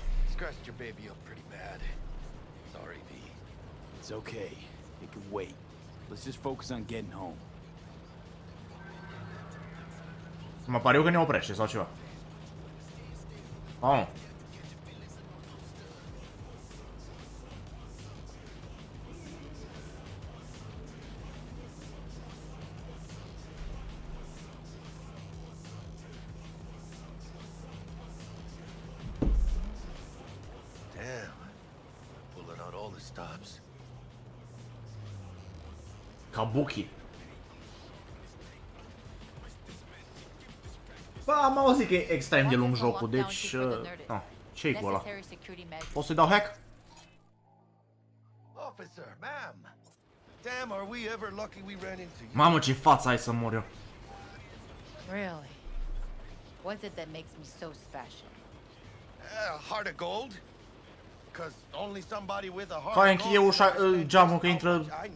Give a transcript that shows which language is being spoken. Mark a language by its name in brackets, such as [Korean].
[English] Scratched your baby up pretty bad. Sorry, V. It's okay. It can wait. Let's just focus on getting home. [Romanian] Mă pariu că ne oprește sau ceva. [English] Oh. Damn. Pulling out all the stops. Kabuki. [Romanian] Bă, am auzit că e extrem de lung jocul, deci... ce-i cu ăla? Poți să-i dau hack? [English] Officer, ma'am! Damn, are we ever lucky we ran into you? [Romanian] Mamă, ce față ai să mor eu! [English] Really? What's it that makes me so special? Heart of gold? Cause only somebody with a heart of gold... [Romanian] Fai, închide ușa, geamul, că intră...